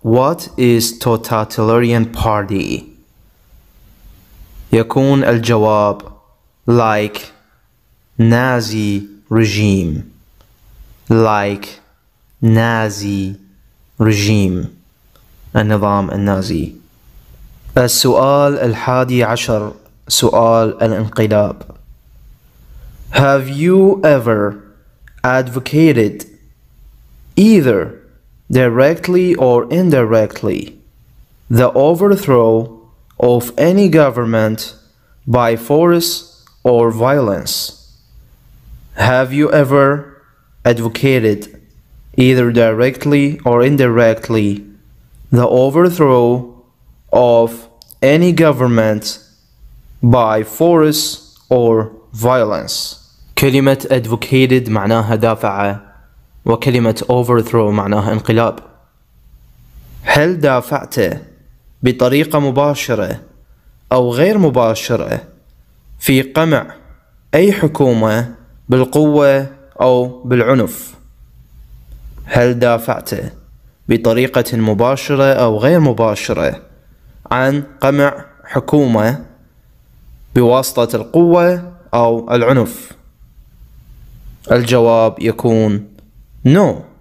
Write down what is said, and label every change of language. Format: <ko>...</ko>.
<en>What is totalitarian party?</en> <ar>يكون الجواب</ar> <en>like Nazi regime. Like Nazi regime.</en> <ar>النظام النازي. السؤال الحادي عشر سؤال الانقلاب.</ar> <en>Have you ever advocated either directly or indirectly the overthrow of any government by force or violence? Have you ever advocated either directly or indirectly the overthrow of any government by force or violence?</en> <ar>كلمة advocated معناها دافع وكلمة overthrow معناها انقلاب. هل دافعت بطريقة مباشرة أو غير مباشرة في قمع أي حكومة بالقوة أو بالعنف؟ هل دافعت بطريقة مباشرة أو غير مباشرة عن قمع حكومة بواسطة القوة أو العنف؟ الجواب يكون</ar> <en>no.</en>